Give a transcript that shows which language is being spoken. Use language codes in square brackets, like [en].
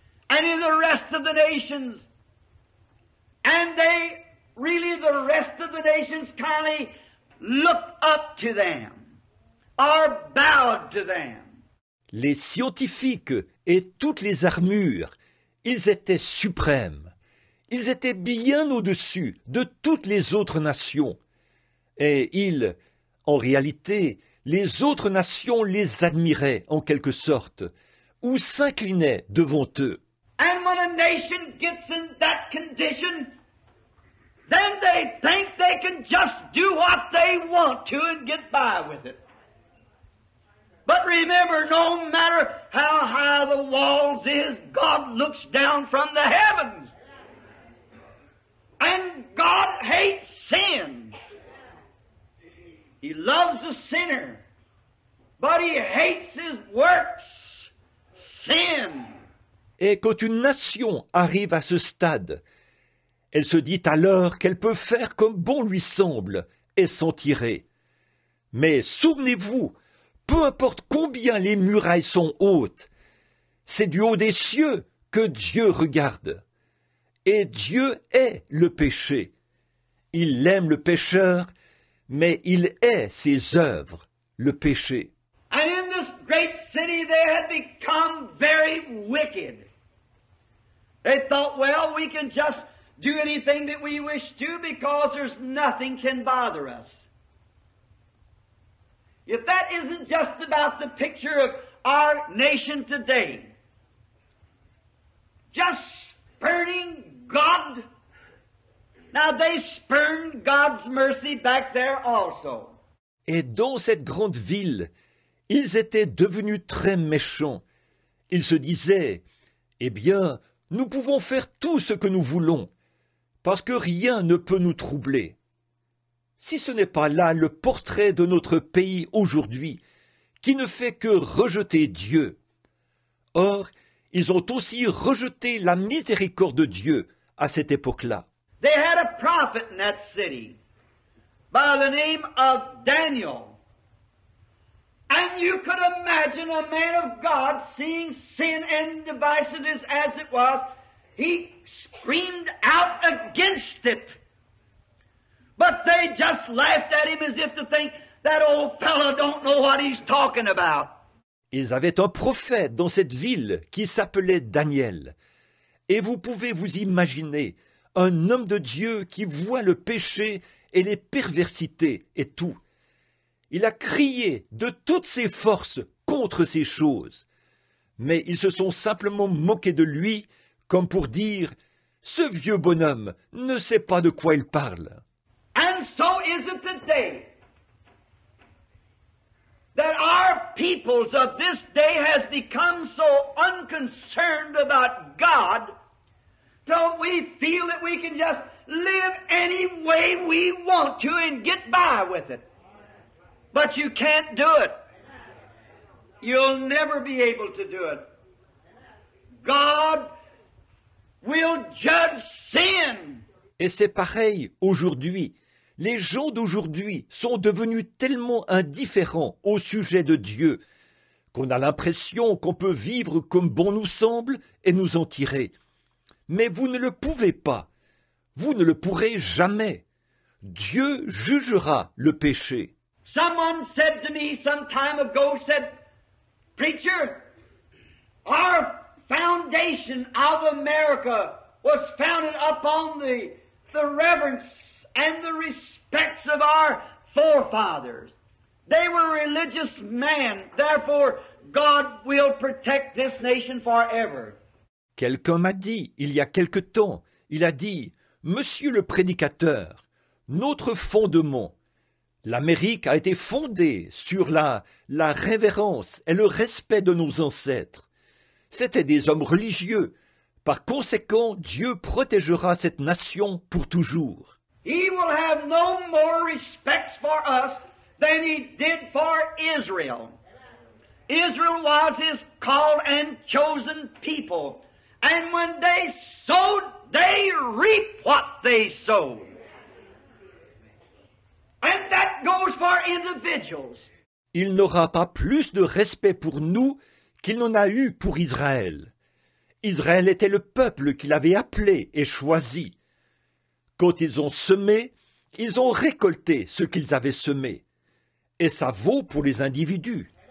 [en] And in the rest of the nations. And they, really the rest of the nations kindly looked up to them. Or bowed to them. [fr] Les scientifiques et toutes les armures, ils étaient suprêmes. Ils étaient bien au-dessus de toutes les autres nations. Et ils, en réalité, les autres nations les admiraient en quelque sorte, ou s'inclinaient devant eux. [en] And when a nation gets in that condition, then they think they can just do what they want to and get by with it. But remember, no matter how high the walls is, God looks down from the heavens. And God hates sin. He loves the sinner, but he hates his works, sin. [fr] Et quand une nation arrive à ce stade, elle se dit alors qu'elle peut faire comme bon lui semble et s'en tirer. Mais souvenez-vous, peu importe combien les murailles sont hautes, c'est du haut des cieux que Dieu regarde. Et Dieu est le péché. Il aime le pécheur, mais il est ses œuvres, le péché. [en] And in this great city they had become very wicked. They thought, well, we can just do anything that we wish to because there's nothing can bother us. If that isn't just about the picture of our nation today, just spurning God. Now they spurned God's mercy back there also. [fr] Et dans cette grande ville, ils étaient devenus très méchants. Ils se disaient, eh bien, nous pouvons faire tout ce que nous voulons, parce que rien ne peut nous troubler. Si ce n'est pas là le portrait de notre pays aujourd'hui, qui ne fait que rejeter Dieu. Or, ils ont aussi rejeté la miséricorde de Dieu à cette époque-là. [en] They had a prophet in that city by the name of Daniel. And you could imagine a man of God seeing sin and divisiveness as it was, he screamed out against it. But they just laughed at him as if to think, that old fellow don't know what he's talking about. [fr] Ils avaient un prophète dans cette ville qui s'appelait Daniel. Et vous pouvez vous imaginer un homme de Dieu qui voit le péché et les perversités et tout. Il a crié de toutes ses forces contre ces choses. Mais ils se sont simplement moqués de lui comme pour dire, ce vieux bonhomme ne sait pas de quoi il parle. [en] And so is it today that our peoples of this day has become so unconcerned about God, don't we feel that we can just live any way we want to and get by with it? But you can't do it. You'll never be able to do it. God will judge sin. [fr] Et c'est pareil aujourd'hui. Les gens d'aujourd'hui sont devenus tellement indifférents au sujet de Dieu qu'on a l'impression qu'on peut vivre comme bon nous semble et nous en tirer. Mais vous ne le pouvez pas. Vous ne le pourrez jamais. Dieu jugera le péché. [en] Someone said to me some time ago, said, Preacher, our foundation of America was founded upon the reverence and the respects of our forefathers. They were religious men. Therefore, God will protect this nation forever. [fr] Quelqu'un m'a dit, il y a quelque temps, il a dit, « Monsieur le prédicateur, notre fondement, l'Amérique a été fondée sur la révérence et le respect de nos ancêtres. C'était des hommes religieux. Par conséquent, Dieu protégera cette nation pour toujours. » [en] He will have no more respect for us than he did for Israel. Israel was his called and chosen people. And when they sowed, they reap what they sowed. And that goes for individuals. [fr] Il n'aura pas plus de respect pour nous qu'il n'en a eu pour Israël. Israël était le peuple qu'il avait appelé et choisi. Quand ils ont semé, ils ont récolté ce qu'ils avaient semé. Et ça vaut pour les individus.